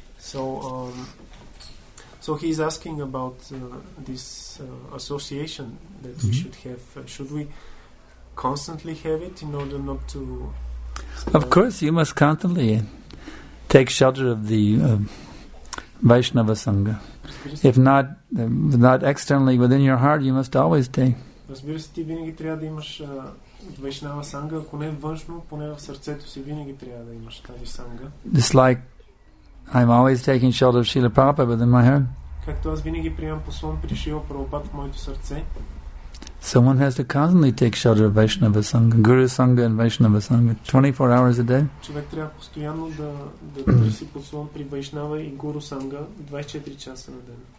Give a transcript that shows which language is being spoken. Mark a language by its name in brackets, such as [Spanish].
[English] So so he's asking about this association that mm-hmm. we should have. Should we constantly have it in order not to? Of course, you must constantly. Take shelter of the Vaishnava Sangha. If not, not externally within your heart, you must always take. [Bulgarian] Разбира се, ти винаги трябва да имаш Вайшнава Санга. Ако не външно, поне в сърцето си винаги трябва да имаш тази Санга. [English] Just like I'm always taking shelter of Srila Prabhupada within my heart. [Bulgarian] Както аз винаги приемам послон при Шрила Прабхупада в моето сърце. [English] Someone has to constantly take shelter of Vaishnava Sangha, Guru Sangha and Vaishnava Sangha, 24 hours a day. [Bulgarian] Човек трябва постоянно да търси подслон при Вайшнава и Гуру Санга 24 часа на ден.